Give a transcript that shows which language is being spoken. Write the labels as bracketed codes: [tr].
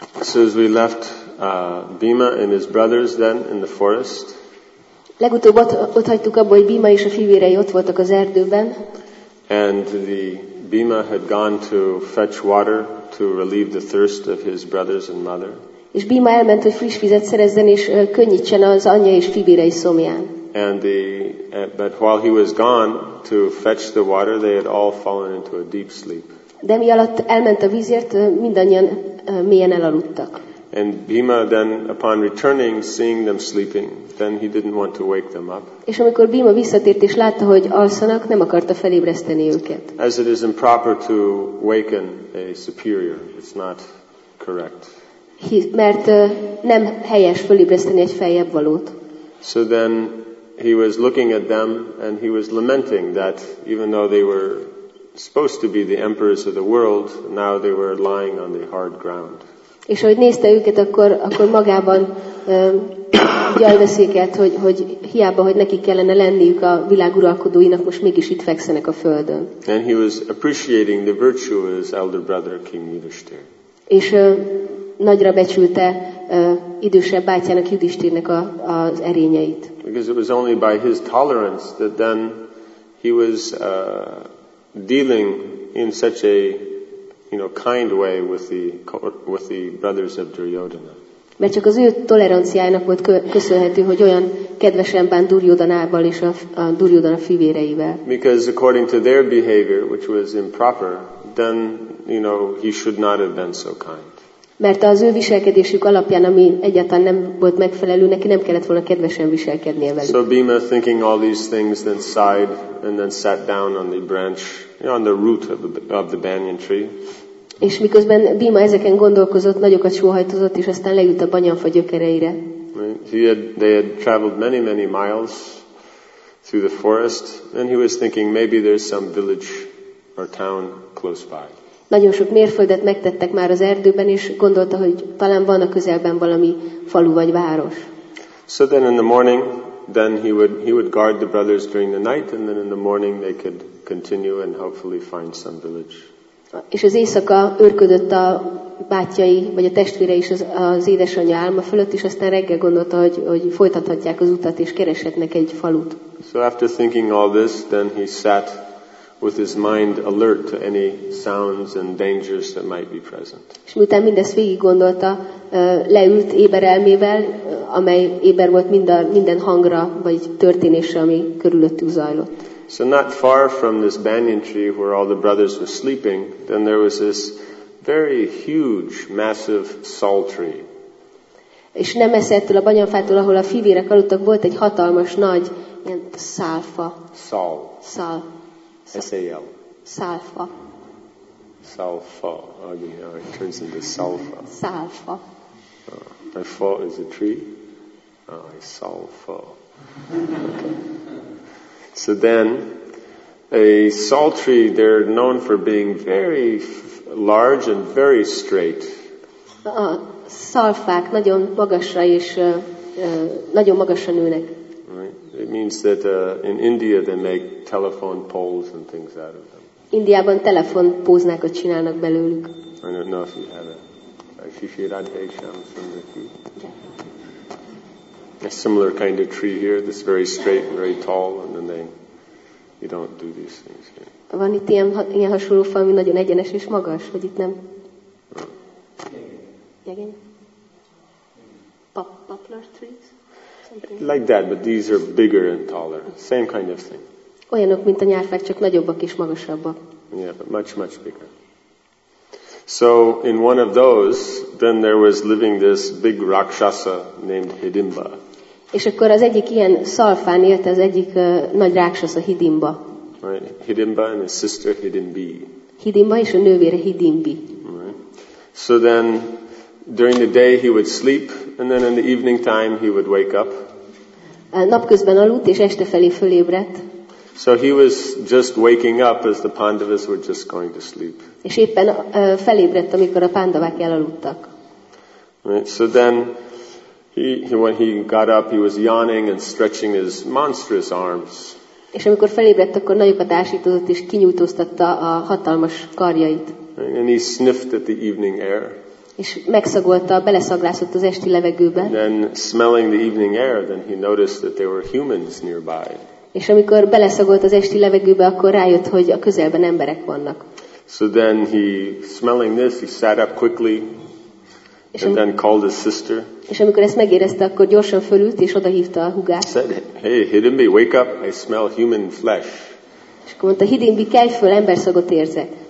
[en] So as we left Bhima and his brothers then in the forest. [hu] Legutóbb ott hagytuk abba, hogy Bhima és a fivérei ott voltak az erdőben. [en] And the Bhima had gone to fetch water to relieve the thirst of his brothers and mother. [hu] És Bhima elment, hogy friss vizet szerezzen és könnyítsen az anyja és fivérei szomján. [en] And the but while he was gone to fetch the water, they had all fallen into a deep sleep. [hu] De mi alatt elment a vízért, mindannyian mélyen elaludtak. [en] And Bhima then, upon returning, seeing them sleeping, then he didn't want to wake them up. [hu] És amikor Bhima visszatért és látta, hogy alszanak, nem akarta felébreszteni őket. [en] As it is improper to waken a superior, it's not correct. [hu] Mert nem helyes felébreszteni egy feljebb valót. [en] So then he was looking at them and he was lamenting that even though they were supposed to be the emperors of the world, now they were lying on the hard ground. [hu] És ahogy nézte őket, akkor magában gyajveszékelt, hogy hiába, hogy nekik kellene lenniük a világ uralkodóinak, most mégis itt fekszenek a földön. [en] And he was appreciating the virtue of his elder brother, King Yudhisthira. [hu] És nagyra becsülte idősebb bátyának, Yudhisthirnek az erényeit. [en] Because it was only by his tolerance that then he was dealing in such a, you know, kind way with the brothers of Duryodhana. [hu] Mert csak az ő toleranciájának volt köszönhető, hogy olyan kedvesen bánt Duryodhanával és a Duryodhana fivéreivel. [en] Because according to their behavior, which was improper, then, you know, he should not have been so kind. [hu] Mert az ő viselkedésük alapján, ami egyáltalán nem volt megfelelő, neki nem kellett volna kedvesen viselkednie velük. [en] So Bhima, thinking all these things, then sighed and then sat down on the branch, you know, on the root of the banyan tree. [hu] És miközben Bhima ezeken gondolkozott, nagyokat sóhajtozott, és aztán leült a banyanfa gyökereire. [en] They had traveled many, many miles through the forest, and he was thinking maybe there's some village or town close by. [hu] Nagyon sok mérföldet megtettek már az erdőben, és gondolta, hogy talán van a közelben valami falu vagy város. [en] So then in the morning, then he would guard the brothers during the night, and then in the morning they could continue and hopefully find some village. [hu] És az éjszaka őrködött a bátyai, vagy a testvére is az édesanyja álma fölött, és aztán reggel gondolta, hogy folytathatják az utat, és kereshetnek egy falut. [en] So after thinking all this, then he sat with his mind alert to any sounds and dangers that might be present. [hu] És miután mindezt végig gondolta, leült éber elmével, amely éber volt minden hangra vagy történésre, ami körülöttük zajlott. [en] So not far from this banyan tree where all the brothers were sleeping, then there was this very huge, massive sal tree. [hu] És nem messze ettől a banyanfától, ahol a fivérek aludtak, volt egy hatalmas, nagy ilyen szálfa. [en] Sal. Sal. S-A-L. [hu] Szálfa. Szálfa. [en] Oh, you know, it turns into szálfa. [hu] Szálfa. [en] Oh, my fa is a tree. Oh, it's szálfa. Okay. So then, a sal tree, they're known for being very large and very straight. [hu] A szálfák nagyon magasra és nagyon magasra nőnek. [en] It means that in India they make telephone poles and things out of them. [hu] Indiában telefonpóznákat csinálnak belőlük. [en] I don't know if you have a Shishi Radhe Sham from the tree. A similar kind of tree here, this very straight and very tall, and then you don't do these things here. [hu] Van itt ilyen hasonló fa, ami nagyon egyenes és magas, vagy itt nem? [en] Jegény? Poplar trees? Like that, but these are bigger and taller. Same kind of thing. [hu] Olyanok, mint a nyárfák, csak nagyobbak és magasabbak. [en] Yeah, but much, much bigger. So, in one of those, then there was living this big rakshasa named Hidimba. [hu] És akkor az egyik ilyen szalfán élt az egyik nagy rakshasa, Hidimba. [en] Right, Hidimba and his sister Hidimbi. [hu] Hidimba és a nővére Hidimbi. [en] Right. So then, During the day he would sleep, and then in the evening time he would wake up. [hu] Napközben aludt, és este felé fölébredt. [en] So he was just waking up as the Pandavas were just going to sleep. [hu] És éppen felébredt, amikor a Pandavák elaludtak. [en] Right, so then when he got up, he was yawning and stretching his monstrous arms. [hu] És amikor felébredt, akkor nagyokat ásított és kinyújtóztatta a hatalmas karjait. [en] And he sniffed at the evening air. [hu] És megszagolta, beleszaglászott az esti levegőbe. [en] And then smelling the evening air, then he noticed that there were humans nearby. [hu] És amikor beleszagolt az esti levegőbe, akkor rájött, hogy a közelben emberek vannak. [en] So then he, smelling this, he sat up quickly. And then called his sister. [hu] És amikor ezt megérezte, akkor gyorsan fölült és odahívta a húgát. [en] Said, "Hey, Hidimbi, wake up! I smell human flesh." [hu] És akkor mondta, Hidimbi, kelj föl, emberszagot érzek.